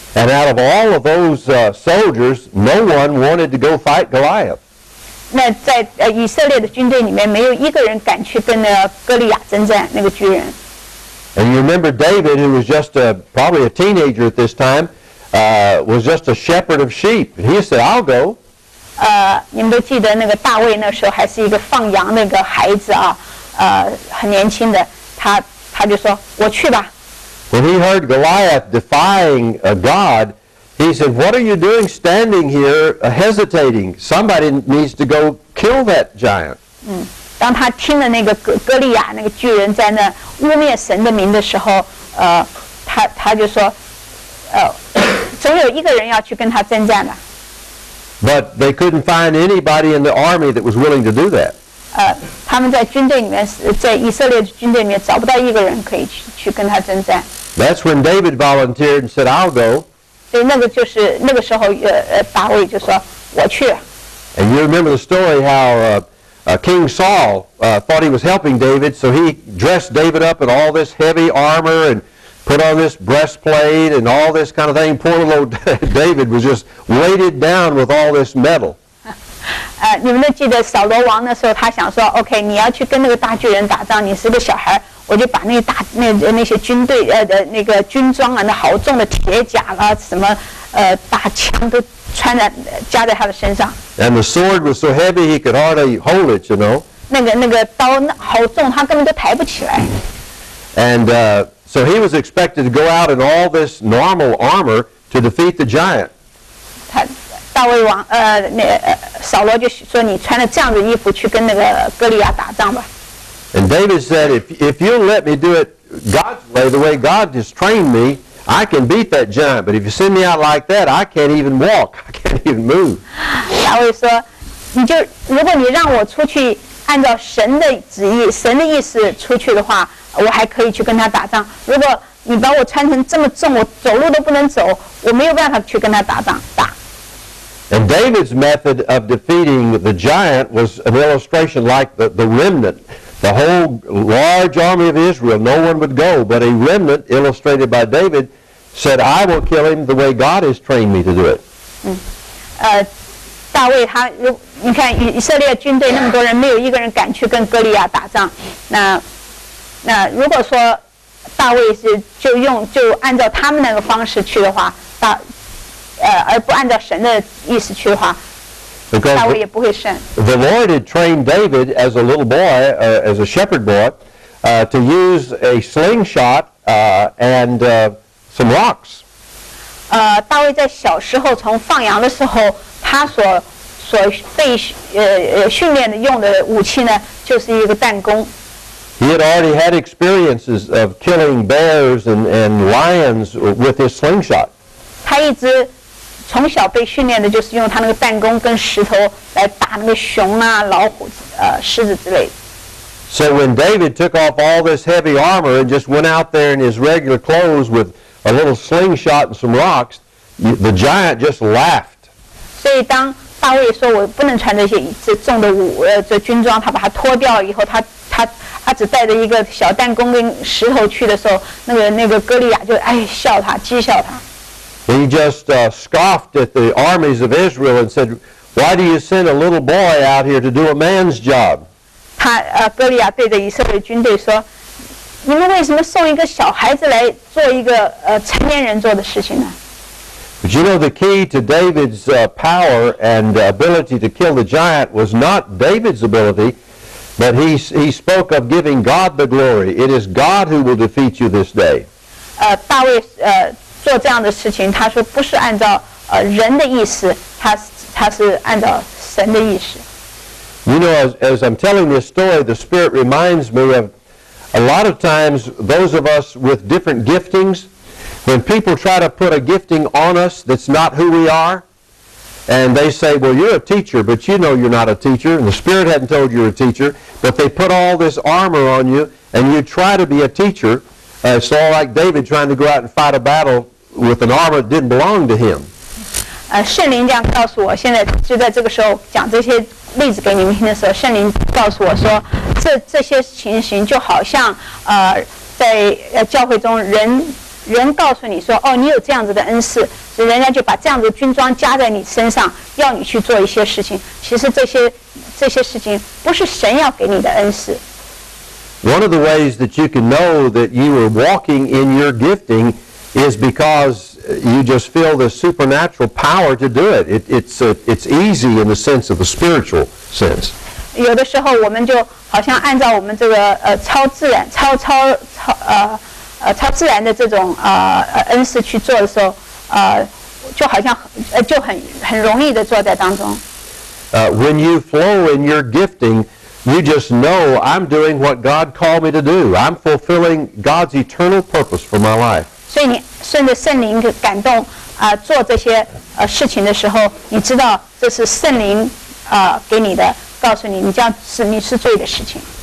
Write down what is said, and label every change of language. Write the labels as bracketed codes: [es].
[en] And out of all of those soldiers, no one wanted to go fight Goliath. [zh] 那在以色列的军队里面没有一个人敢去跟那哥利亚征战那个巨人。 [en] And you remember David, who was just a, probably a teenager at this time, was just a shepherd of sheep. And he said, I'll go. [zh] 你们都记得那个大卫那时候还是一个放羊那个孩子啊，很年轻的，他就说我去吧。 [en] When he heard Goliath defying God, he said, what are you doing standing here hesitating? Somebody needs to go kill that giant. [zh] 当他听了那个哥利亚那个巨人在那污蔑神的名的时候，他就说，总有一个人要去跟他征战的。 [en] But they couldn't find anybody in the army that was willing to do that. [zh] 他们在军队里面，在以色列的军队里面找不到一个人可以去跟他征战。 [en] That's when David volunteered and said, "I'll go." [zh] 所以那个就是那个时候，大卫就说我去。 [en] And you remember the story how King Saul thought he was helping David, so he dressed David up in all this heavy armor and put on this breastplate and all this kind of thing. Poor little David was just weighted down with all this metal. [zh] 你们都记得扫罗王的时候，他想说 ，OK， 你要去跟那个大巨人打仗，你是个小孩，我就把那大那些军队那个军装啊，那好重的铁甲啦、啊，什么大枪都。穿在加在他的身上。 [en] And the sword was so heavy he could hardly hold it, you know. [zh] 那个刀好重，他根本都抬不起来。 [en] And so he was expected to go out in all this normal armor to defeat the giant. [zh] 大卫王扫罗就说你穿着这样的衣服去跟那个哥利亚打仗吧。 [en] And David said, if you'll let me do it God's way, the way God has trained me. I can beat that giant, but if you send me out like that, I can't even walk. I can't even move. [zh] 大卫说，你就如果你让我出去，按照神的旨意、神的意思出去的话，我还可以去跟他打仗。如果你把我穿成这么重，我走路都不能走，我没有办法去跟他打仗打。 [en] And David's method of defeating the giant was an illustration like the remnant. The whole large army of Israel, no one would go, but a remnant illustrated by David said, I will kill him the way God has trained me to do it. [zh] 大卫他，你看以色列军队那么多人，没有一个人敢去跟哥利亚打仗。那如果说大卫是就按照他们那个方式去的话，而不按照神的意思去的话， [en] Because the Lord had trained David as a little boy, as a shepherd boy, to use a slingshot and some rocks. [zh] 大卫在小时候从放羊的时候，他所被训练的用的武器呢，就是一个弹弓。 [en] He had already had experiences of killing bears and lions with his slingshot. [zh] 他一直。从小被训练的就是用他那个弹弓跟石头来打那个熊啊、老虎、狮子之类的。 [en] So when David took off all this heavy armor and just went out there in his regular clothes with a little slingshot and some rocks, the giant just laughed. [zh] 所以当大卫说我不能穿这重的这军装，他把它脱掉以后，他只带着一个小弹弓跟石头去的时候，那个哥利亚就笑他，讥笑他。 [en] He just scoffed at the armies of Israel and said, why do you send a little boy out here to do a man's job? [zh] 哥利亚对着以色列军队说，你们为什么送一个小孩子来做一个成年人做的事情呢？ [en] But you know, the key to David's power and ability to kill the giant was not David's ability, but he spoke of giving God the glory. It is God who will defeat you this day. [zh] 大卫做这样的事情，他说不是按照人的意思，他是按照神的意思。 [en] You know, as I'm telling this story, the Spirit reminds me of a lot of times those of us with different giftings, when people try to put a gifting on us that's not who we are, and they say, well, you're a teacher, but you know you're not a teacher, and the Spirit hadn't told you're a teacher, but they put all this armor on you, and you try to be a teacher,it's all like David trying to go out and fight a battle with an armor that didn't belong to him. [zh] 圣灵这样告诉我，现在就在这个时候讲这些例子给你们听的时候，圣灵告诉我说，这些情形就好像在教会中人告诉你说，哦，你有这样子的恩赐，人家就把这样的军装加在你身上，要你去做一些事情。其实这些事情不是神要给你的恩赐。 [en] One of the ways that you can know that you are walking in your gifting is because you just feel the supernatural power to do it. It's easy in the sense of the spiritual sense. [zh] 有的时候我们就好像按照我们这个超自然超超超超自然的这种恩赐去做的时候，就好像就很容易的做在当中。 [en] When you flow in your gifting, you just know I'm doing what God called me to do. I'm fulfilling God's eternal purpose for my life. [zh] 所以你顺着圣灵感动做这些事情的时候，你知道这是圣灵给你的，告诉你你这样是你是对的事情。